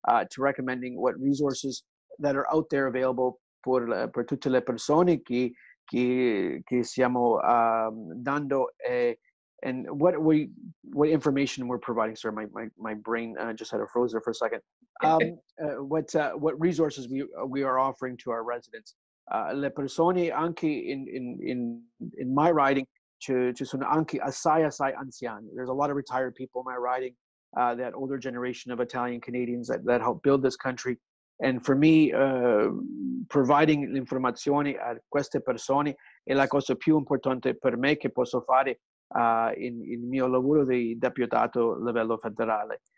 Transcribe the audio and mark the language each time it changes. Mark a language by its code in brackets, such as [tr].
[en] to recommending what resources that are out there available [it] per tutte le persone che siamo dando [en] and what information we're providing. Sorry, my brain just had a frozen for a second. What resources we are offering to our residents. [it] Le persone anche in [en] my riding [it] ci sono anche assai anziani. [en] There's a lot of retired people in my riding, that older generation of Italian Canadians that helped build this country. And for me, providing [it] l'informazione a queste persone è la cosa più importante per me che posso fare in mio lavoro di deputato a livello federale.